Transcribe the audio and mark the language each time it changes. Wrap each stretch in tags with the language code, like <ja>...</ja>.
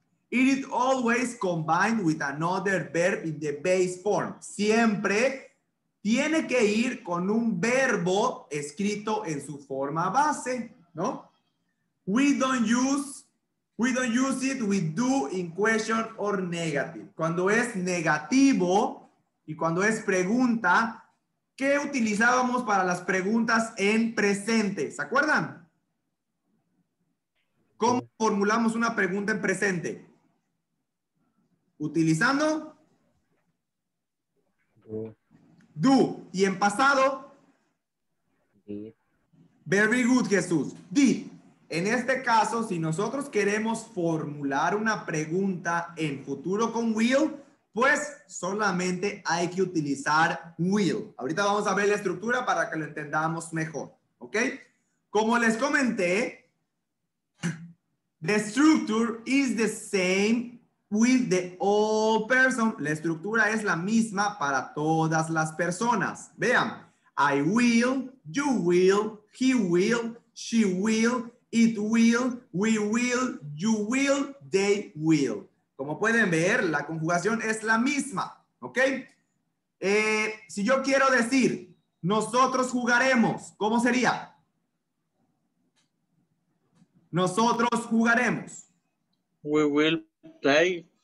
<en>It is always combined with another verb in the base form. Siempre</en> <es>tiene que ir con un verbo escrito en su forma base, ¿no?</es> <en>We don't use it with do in question or negative.</en> <es>Cuando es negativo y cuando es pregunta, ¿qué utilizábamos para las preguntas en presente? ¿Se acuerdan? ¿Cómo formulamos una pregunta en presente? ¿Utilizando? Do. ¿Y en pasado?</es> <en>Very good, Jesús. Did.</en> <es>En este caso, si nosotros queremos formular una pregunta en futuro con will, pues solamente hay que utilizar will. Ahorita vamos a ver la estructura para que lo entendamos mejor, ¿ok? Como les comenté,</es> <en>the structure is the same with the all person.</en> <es>La estructura es la misma para todas las personas.</es> <en>Vean, I will, you will, he will, she will, it will, we will, you will, they will.</en> <es>Como pueden ver, la conjugación es la misma, ¿ok? Si yo quiero decir, nosotros jugaremos, ¿cómo sería? Nosotros jugaremos.</es> <en>We will play.</en>